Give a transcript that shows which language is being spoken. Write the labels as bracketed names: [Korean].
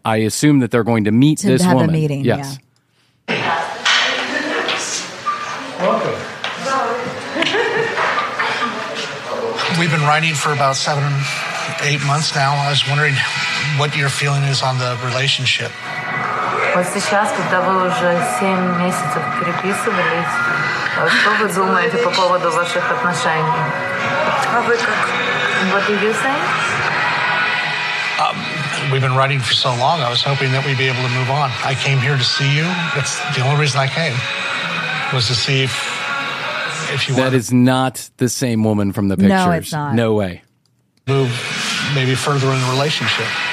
[English] I assume that they're going to meet this woman. To have a meeting. Yes. Yeah. Welcome. We've been writing for about 7-8 months now. I was wondering what your feeling is on the relationship. [Russian] Вот сейчас, когда вы уже 7 месяцев переписывались, что вы думаете по поводу ваших отношений? А вы как? [English] What do you say? We've been writing for so long, I was hoping that we'd be able to move on. I came here to see you. That's the only reason I came, was to see if... That is not the same woman from the pictures. No, it's not. No way. Move maybe further in the relationship.